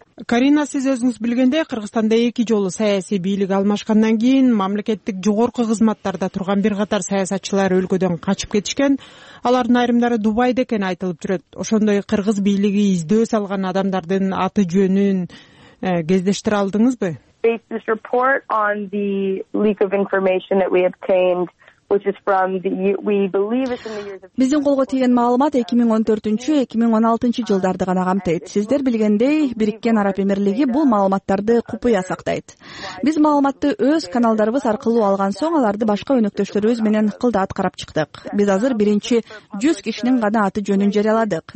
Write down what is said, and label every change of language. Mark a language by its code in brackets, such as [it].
[ky] Карина, сиз өзүңүз билгендей, Кыргызстанда 2 жолу саясий бийлик алмашкандан кийин мамлекеттик жогорку кызматтарда турган бир катар саясатчылар өлкөдөн качып кетишкен. Алардын айрымдары Дубайда экен айтылып жүрөт. Ошондой кыргыз бийлиги издөө салган адамдардын аты жөнүн кездештире алдыңызбы? [en] Based this report on the leak of information that we obtained, which is from the we believe it's in the years of [ky] Биздин колго тийген маалымат 2014-2016 жылдарды гана камтайт. Сиздер билгендей, Бириккен Араб Эмирлиги бул маалыматтарды купуя сактайт. Биз маалыматты өз каналдарыбыз аркылуу алган соң, аларды башка өнөктөштөрүбүз менен кылдаат карап чыктык. Биз азыр биринчи 100 кишинин гана аты жөнүн жарыяладык.